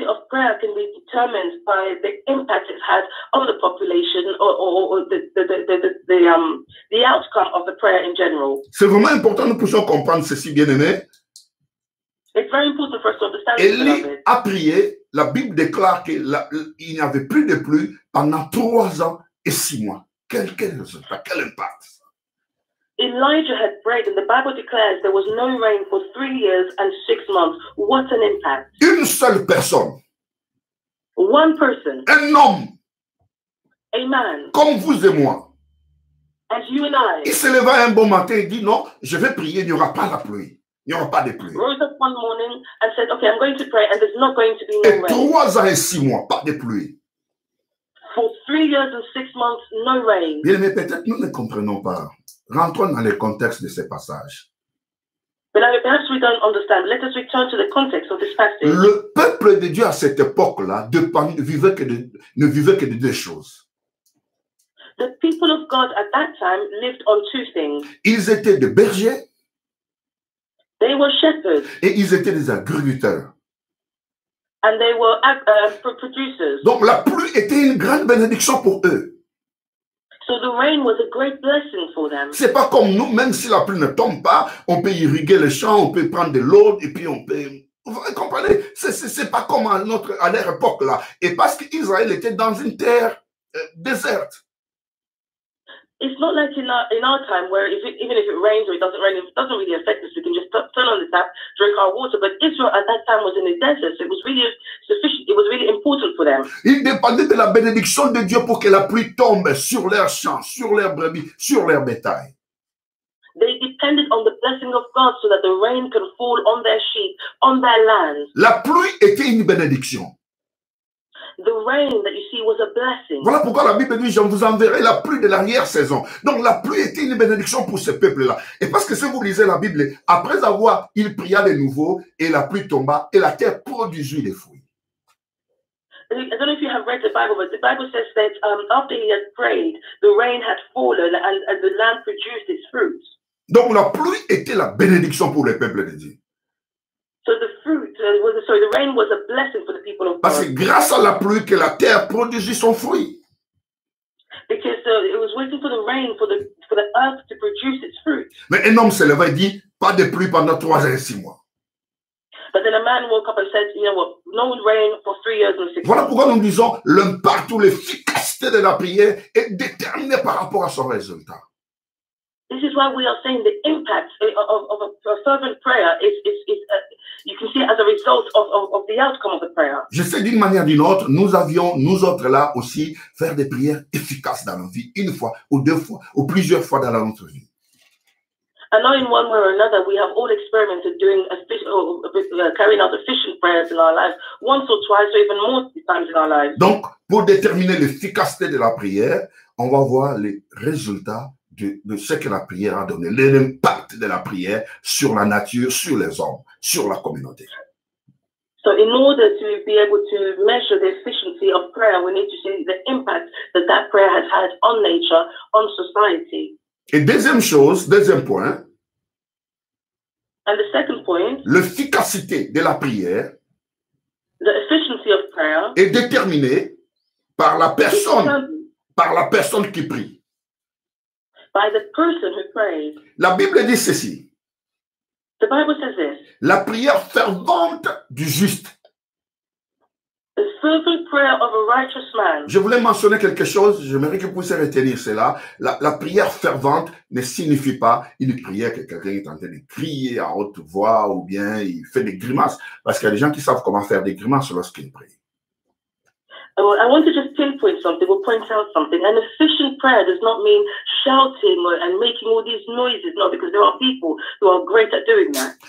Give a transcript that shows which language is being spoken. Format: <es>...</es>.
<en>Prayer can be determined by the impact it's had on the population or the outcome of the prayer in general.</en> <fr>C'est vraiment important que nous puissions comprendre ceci, bien-aimé.</fr> <en>It's very important for us to understand.</en> <fr>Élie a prié. La Bible déclare qu'il n'y avait plus de pluie pendant 3 ans et 6 mois. Quel impact!</fr> <en>Elijah had prayed, and the Bible declares there was no rain for 3 years and 6 months. What an impact!</en> <fr>Une seule personne.</fr> <en>One person.</en> <fr>Un homme.</fr> <en>A man.</en> <fr>Comme vous et moi.</fr> <en>as you and I.</en> <fr>Il se leva un bon matin et dit, non, je vais prier, il n'y aura pas la pluie. Il n'y aura pas de pluie.</fr> <en>Rose up one morning and said, okay, I'm going to pray and there's not going to be no rain.</en> <fr>Et 3 ans et 6 mois, pas de pluie.</fr> <en>For 3 years and 6 months, no rain.</en> <fr>Bien, mais peut-être nous ne comprenons pas. Rentrons dans le contexte de ce passage.</fr> <en>Beloved, perhaps we don't understand. Let us return to the context of this passage.</en> <fr>Le peuple de Dieu à cette époque-là ne vivait que de deux choses.</fr> <en>The people of God at that time lived on two things.</en> <fr>Ils étaient des bergers.</fr> <en>They were shepherds.</en> <fr>Et ils étaient des agriculteurs.</fr> <en>And they were producers.</en> <fr>Donc la pluie était une grande bénédiction pour eux.</fr> <en>So the rain was a great blessing for them.</en> <fr>C'est pas comme nous, même si la pluie ne tombe pas, on peut irriguer les champs, on peut prendre de l'eau et puis on peut. Vous comprenez? C'est pas comme à leur époque là. Et parce qu'Israël était dans une terre déserte.</fr> <en>It's not like in our time where even if it rains or it doesn't rain, it doesn't really affect us. We can just turn on the tap, drink our water. But Israel at that time was in the desert, so it was really sufficient. It was really important for them.</en> <fr>Ils dépendaient de la bénédiction de Dieu pour que la pluie tombe sur leurs champs, sur leurs brebis, sur leur bétail.</fr> <en>They depended on the blessing of God so that the rain can fall on their sheep, on their land.</en> <fr>La pluie était une bénédiction.</fr> <en>The rain that you see was a blessing.</en> <fr>Voilà pourquoi la Bible dit, je vous enverrai la pluie de l'arrière-saison. Donc la pluie était une bénédiction pour ce peuple-là. Et parce que si vous lisez la Bible, après avoir, il pria de nouveau, et la pluie tomba, et la terre produisit des fruits.</fr> <en>I don't know if you have read the Bible, but the Bible says that after he had prayed, the rain had fallen, and the land produced its fruits.</en> <fr>Donc la pluie était la bénédiction pour le peuple de Dieu.</fr> <en>The rain was a blessing for the people of God.</en> <fr>Parce que grâce à la pluie que la terre produisit son fruit.</fr> <en>Because it was waiting for the rain for the earth to produce its fruit.</en> <fr>Mais un homme se levait et dit pas de pluie pendant 3 ans et 6 mois.</fr> <en>But then a man woke up and said, you know what, no rain for 3 years and 6 months.</en> <fr>Voilà pourquoi nous disons l'impact ou l'efficacité de la prière est déterminée par rapport à son résultat.</fr> <en>This is why we are saying the impact of a fervent prayer you can see as a result of the outcome of the prayer.</en> <fr>Je sais d'une manière ou d'une autre, nous avions, nous autres là aussi, faire des prières efficaces dans nos vies, une fois, ou deux fois, ou plusieurs fois dans notre vie.</fr> <en>I know in one way or another, we have all experimented doing carrying out efficient prayers in our lives, once or twice, or even more times in our lives.</en> <fr>Donc, pour déterminer l'efficacité de la prière, on va voir les résultats de ce que la prière a donné, l'impact de la prière sur la nature, sur les hommes, sur la communauté.</fr> <en>So in order to be able to measure the efficiency of prayer, we need to see the impact that that prayer has had on nature, on society.</en> <fr>Et deuxième chose, deuxième point.</fr> <en>And the second point.</en> <fr>L'efficacité de la prière.</fr> <en>The efficiency of prayer.</en> <fr>Est déterminée par la personne, par la personne qui prie.</fr> <en>By the person who prays.</en> <fr>La Bible dit ceci.</fr> <en>The Bible says this.</en> <fr>La prière fervente du juste.</fr> <en>The fervent prayer of a righteous man.</en> <fr>Je voulais mentionner quelque chose, j'aimerais que vous puissiez retenir cela. La prière fervente ne signifie pas une prière que quelqu'un est en train de crier à haute voix ou bien il fait des grimaces. Parce qu'il y a des gens qui savent comment faire des grimaces lorsqu'ils prient.</fr> <en>I want to just pinpoint something or point out something. An efficient prayer does not mean shouting and making all these noises. No, because there are people who are great at doing that.</en>